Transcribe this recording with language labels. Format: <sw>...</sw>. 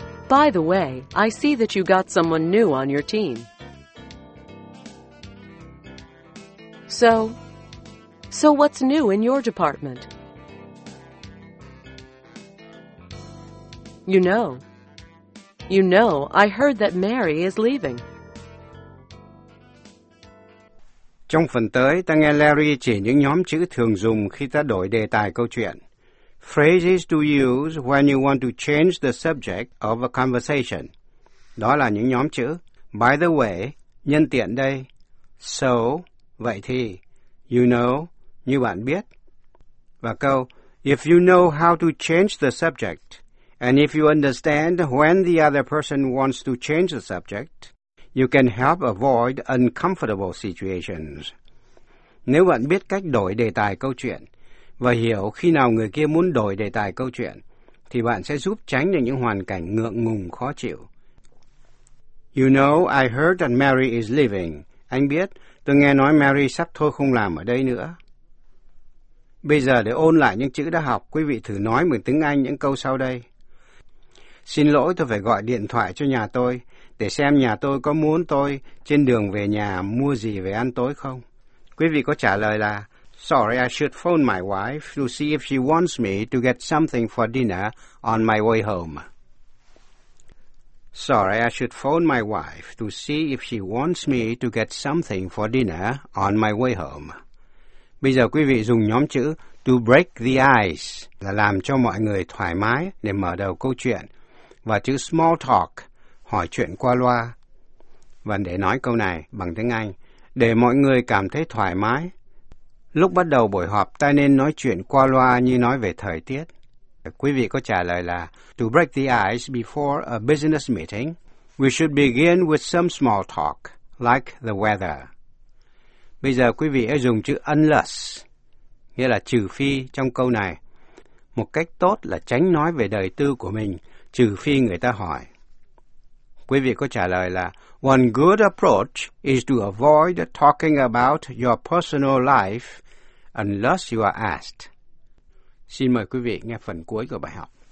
<en>By the way, I see that you got someone new on your team. So, So what's new in your department? You know, I heard that Mary is leaving.</en> <vi>Trong phần tới, ta nghe Larry chỉ những nhóm chữ thường dùng khi ta đổi đề tài câu chuyện.</vi> <en>Phrases to use when you want to change the subject of a conversation.</en> <vi>Đó là những nhóm chữ</vi> <en>by the way,</en> <vi>nhân tiện đây, so, vậy thì,</vi> <en>you know,</en> <vi>như bạn biết. Và câu,</vi> <en>if you know how to change the subject, and if you understand when the other person wants to change the subject, you can help avoid uncomfortable situations.</en> <vi>Nếu bạn biết cách đổi đề tài câu chuyện và hiểu khi nào người kia muốn đổi đề tài câu chuyện, thì bạn sẽ giúp tránh được những hoàn cảnh ngượng ngùng khó chịu.</vi> <en>You know, I heard that Mary is leaving.</en> <vi>Anh biết, tôi nghe nói Mary sắp thôi không làm ở đây nữa. Bây giờ để ôn lại những chữ đã học, quý vị thử nói bằng tiếng Anh những câu sau đây. Xin lỗi, tôi phải gọi điện thoại cho nhà tôi để xem nhà tôi có muốn tôi trên đường về nhà mua gì về ăn tối không. Quý vị có trả lời là</vi> <en>Sorry, I should phone my wife to see if she wants me to get something for dinner on my way home. Sorry, I should phone my wife to see if she wants me to get something for dinner on my way home.</en> <vi>Bây giờ quý vị dùng nhóm chữ</vi> <en>to break the ice</en> <vi>là làm cho mọi người thoải mái để mở đầu câu chuyện, và chữ</vi> <en>small talk,</en> <vi>hỏi chuyện qua loa. Và để nói câu này bằng tiếng Anh, để mọi người cảm thấy thoải mái, lúc bắt đầu buổi họp ta nên nói chuyện qua loa như nói về thời tiết. Quý vị có trả lời là</vi> <en>To break the ice before a business meeting, we should begin with some small talk, like the weather.</en> <vi>Bây giờ quý vị hãy dùng chữ unless, nghĩa là trừ phi trong câu này. Một cách tốt là tránh nói về đời tư của mình, trừ phi người ta hỏi. Quý vị có trả lời là</vi> <en>One good approach is to avoid talking about your personal life unless you are asked.</en> <vi>Xin mời quý vị nghe phần cuối của bài học.</vi>